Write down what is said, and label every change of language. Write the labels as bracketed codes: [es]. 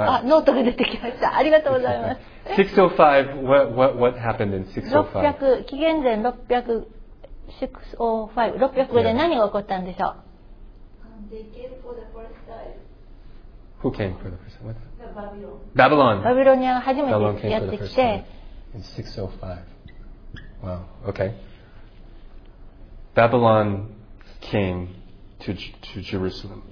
[ja] あ、ノートが出てきました。ありがとうございます。 [en] 605, what happened in 605? [ja] 紀元前605で何が起こったんでしょう、yeah. [en] They came for the first time. Who came for the first time? What? The Babylon. Babylon. [ja] Babylon 初めてやってきて。 [en] In 605. Wow. Okay. Babylon came to Jerusalem.